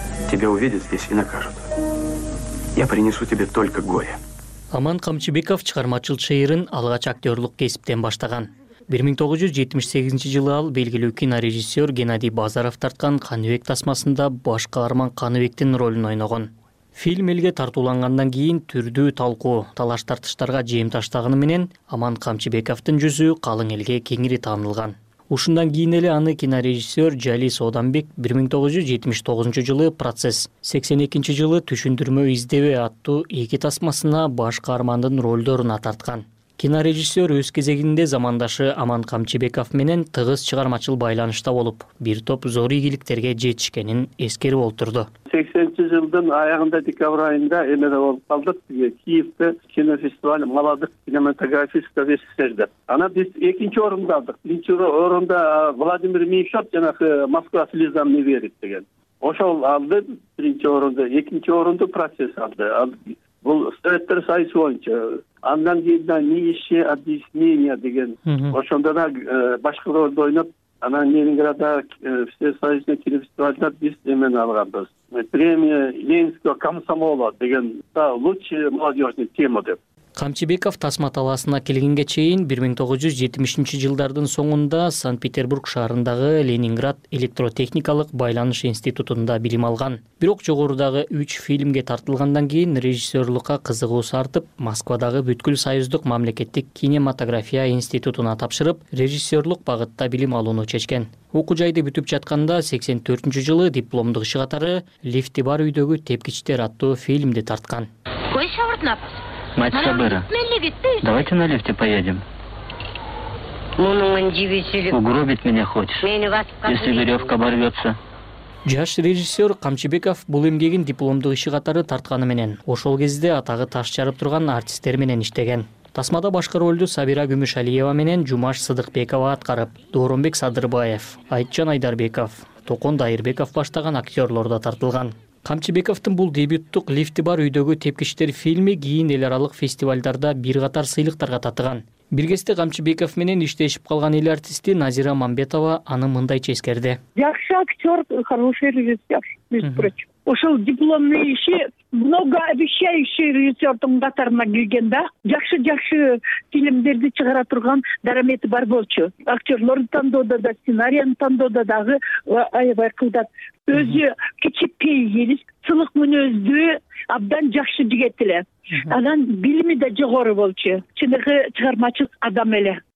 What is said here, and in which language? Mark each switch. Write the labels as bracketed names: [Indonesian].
[Russian] Тебя увидят здесь и накажут. Я принесу тебе только горе. [Kyrgyz] Аман Камчыбеков чыгармачыл чыйырын алгач актёрлук кесиптен баштаган. 1978-жылы ал белгилүү кинорежиссер Геннадий Базаров тарткан Каныбек тасмасында баш каарман Каныбектин ролун ойногон. Фильм элге тартууланганган кийин түрдүү талкуу, талаш тартыштарга жем таштаганы менен Аман Камчыбековдун жүзү калың элге кеңири таанылган. Ушундан кийин эле аны кинорежиссер Жалис Оданбек 1979-жылы «Процесс», 82-жылы «Түшүндүрмө издебе» аттуу эки тасмасына баш каармандын ролдорун атарткан. Кинорежиссер өз кезегинде замандашы Аман Камчыбеков менен тыгыз чыгармачыл байланышта болуп, бир топ зор ийгиликтерге жетишкенин эскерип олтурду. 80-чи жылдын аягында декабрь айында эмеде болуп калдык. Киевде кинофестиваль Молодых кинематографистов СССР деп. Анан биз 2-чи орунду алдык. 1-чи орунда Владимир Меньшов жанагы Москва слезам не верит деген. Ошол алды 1-чи орунду, 2-чи орунду процесс алды. Бул советтер союзу боюнча андан кийин да Нищие объяснения деген ошондо да башка ролду ойноп анан Ленинградда всесоюзный кинофестивальда биз эмени алганбыз. [Russian] Премия Ленинского комсомола [Kyrgyz] деген да [Russian] лучшая молодежная тема [Kyrgyz] деп. Камчыбеков Тасма талаасына келгенге чейин 1970-жылдардын соңунда Санкт-Петербург шаарындагы Ленинград электротехникалык байланыш институтунда билим алган. Бирок жогорудагы 3 фильмге тартылгандан кийин режиссерлукка кызыгуусу артып, Москвадагы Бүткүл союздук мамлекеттик кинематография институтуна тапшырып, режиссерлук багытта билим алууну чечкен. Окуу жайды бүтүп жатканда 84-жылы дипломдук иши катары Лифти бар үйдөгү тепкичтер аттуу фильмди тарткан. Койш ауыртын апа. [Russian] Мать Сабыра, давайте на лифте поедем. Угробить меня хочешь, если веревка оборвется. [Kyrgyz] Жаш режиссер Камчыбеков бул эмгегин дипломдук иши катары тартканы менен, ошол кезде атагы таш жарып турган артисттер менен иштеген. Тасмада башкы ролду Сабира Гүмүшалиева менен Жумаш Сыдыкбекова аткарып, Дооронбек Садырбаев, Айтжан Айдарбеков, Токон Дайырбеков баштаган актерлор да тартылган. Камчыбековдун бул дебюттук Лифти бар үйдөгү тепкичтер фильми кийин эл аралык фестивалдарда бир катар сыйлыктарга татыган. Бир кезде Камчыбеков менен иштешип калган эл артисти Назира Мамбетова аны мындайча эскерди. Жакшы актер, [Russian] хороший режиссер, между прочим. [Kyrgyz] Ошол [Russian] дипломный [Kyrgyz] иши [Russian] много обещающий [Kyrgyz] режиссердун катарына келген да. Жакшы-жакшы фильмдерди чыгара турган дарамети бар болчу. Актерлорду тандоодо да, сценарийни тандоодо дагы аябай кылдат. Өзү кичи пейилис, сынык мүнөздүү, абдан жакшы жигит эле. Анан билими да жогору болчу. Чыныгы чыгармачыл адам эле.